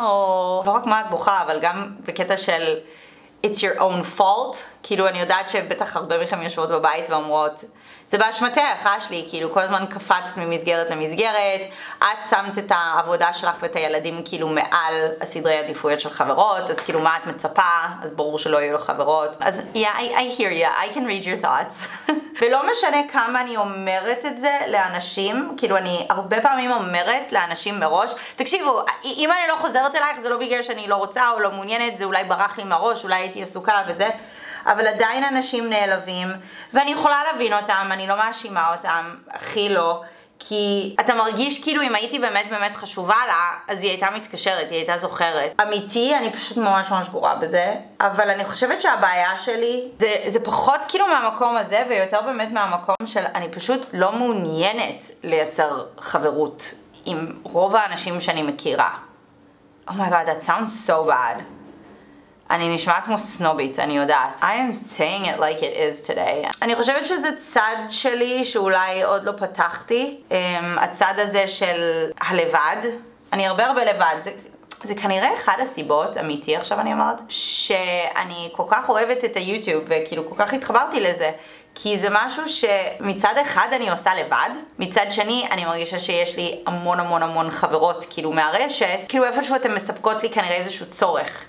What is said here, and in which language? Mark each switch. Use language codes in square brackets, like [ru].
[he] או לא רק מה את בוכה, אבל גם בקטע של [en] it's your own fault. [he] כאילו, אני יודעת שבטח הרבה מכם יושבות בבית ואומרות, זה באשמתך, רע שלי, כאילו, כל הזמן קפצת ממסגרת למסגרת, את שמת את העבודה שלך ואת הילדים כאילו מעל הסדרי העדיפויות של חברות, אז כאילו, מה את מצפה? אז ברור שלא יהיו לו חברות. [en] אז, yeah, I hear you, I can read your thoughts. [he] ולא משנה כמה אני אומרת את זה לאנשים, כאילו, אני הרבה פעמים אומרת לאנשים מראש, תקשיבו, אם אני לא חוזרת אלייך, זה לא בגלל שאני לא רוצה או לא מעוניינת, זה אולי ברח לי מהראש, אולי הייתי עסוקה וזה. אבל עדיין אנשים נעלבים, ואני יכולה להבין אותם, אני לא מאשימה אותם, הכי לא, כי אתה מרגיש כאילו אם הייתי באמת באמת חשובה לה, אז היא הייתה מתקשרת, היא הייתה זוכרת. אמיתי, אני פשוט ממש ממש גורה בזה, אבל אני חושבת שהבעיה שלי זה פחות כאילו מהמקום הזה, ויותר באמת מהמקום של אני פשוט לא מעוניינת לייצר חברות עם רוב האנשים שאני מכירה. [en] Oh my god, that sounds so bad. [he] אני נשמעת כמו סנובית, אני יודעת. [en] I am saying it like it is today. [he] אני חושבת שזה צד שלי שאולי עוד לא פתחתי. הצד הזה של הלבד. אני הרבה הרבה לבד. זה כנראה אחד הסיבות, אמיתי עכשיו אני אמרת, שאני כל כך אוהבת את היוטיוב וכאילו כל כך התחברתי לזה. כי זה משהו שמצד אחד אני עושה לבד, מצד שני אני מרגישה שיש לי המון המון המון חברות כאילו מהרשת, כאילו איפשהו אתם מספקות לי כנראה איזשהו צורך.